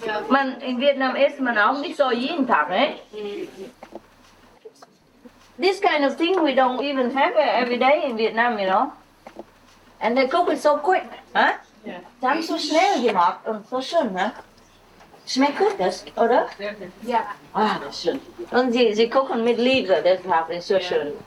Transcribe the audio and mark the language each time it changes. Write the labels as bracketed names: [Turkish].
[German] Man, in Vietnam isst man auch nicht so jeden Tag, ne? [English] This kind of thing we don't even have every day in Vietnam, you know? And they cook it so quick, huh? Yeah. [German] Sie haben so schnell gemacht und so schön, ne? Schmeckt gut, das, oder? Ja. Ah, das ist schön. Und sie kochen mit Liebe, das ist so schön.